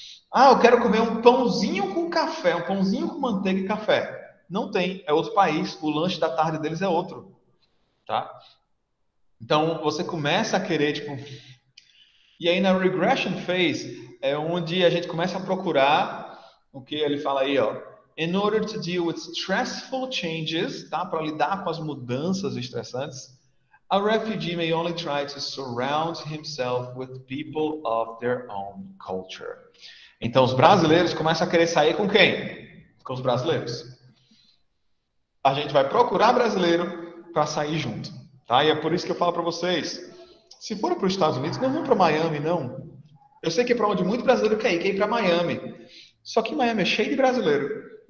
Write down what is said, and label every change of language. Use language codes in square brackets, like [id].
[pt] Ah, eu quero comer um pãozinho com café, um pãozinho com manteiga e café. Não tem, é outro país, o lanche da tarde deles é outro, tá? Então, você começa a querer, tipo, e aí na regression phase, é onde a gente começa a procurar o que ele fala aí, ó. [en] In order to deal with stressful changes, tá? [pt] Para lidar com as mudanças estressantes, [en] a refugee may only try to surround himself with people of their own culture. [pt] Então, os brasileiros começam a querer sair com quem? Com os brasileiros. A gente vai procurar brasileiro para sair junto, tá? E é por isso que eu falo para vocês, se for para os Estados Unidos, não vão para Miami, não. Eu sei que é para onde muito brasileiro quer ir para Miami. Só que Miami é cheio de brasileiro.